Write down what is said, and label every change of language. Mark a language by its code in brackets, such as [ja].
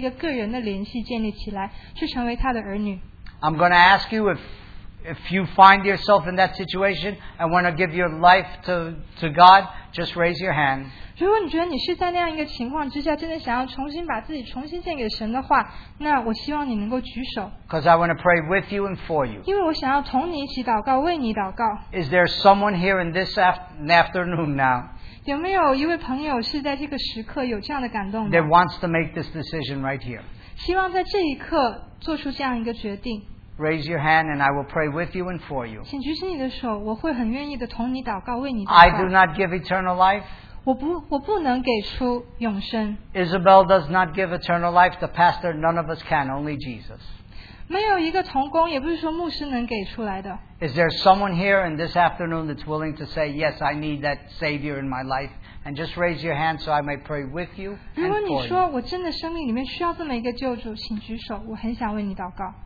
[zh] 我要问的只是想问说，你是不是真的想要去和神有这么一个个人的联系建立起来，去成为他的儿女？ [en] I'm going to ask you if you find yourself in that situation and want to give your life to God, just raise your hand. [zh] 如果你觉得你是在那样一个情况之下，真的想要重新把自己重新献给神的话，那我希望你能够举手。 [en] Because I want to pray with you and for you. [zh] 因为我想要同你一起祷告，为你祷告。 [en] Is there someone here in this afternoon now? [zh] 有没有一位朋友是在这个时刻有这样的感动的？ [en] That wants to make this decision right here. [zh] 希望在这一刻做出这样一个决定。 [en] Raise your hand and I will pray with you and for you. [zh] 请举起你的手，我会很愿意的同你祷告，为你祷告。 [en] I do not give eternal life. [zh] 我不能给出永生。 [en] Isabel does not give eternal life. The pastor, none of us can, only Jesus. [zh] 没有一个同工，也不是说牧师能给出来的。 [en] Is there someone here in this afternoon that's willing to say, yes, I need that Savior in my life? And just raise your hand so I may pray with you and for you. [zh] 如果你说我真的生命里面需要这么一个救主，请举手，我很想为你祷告。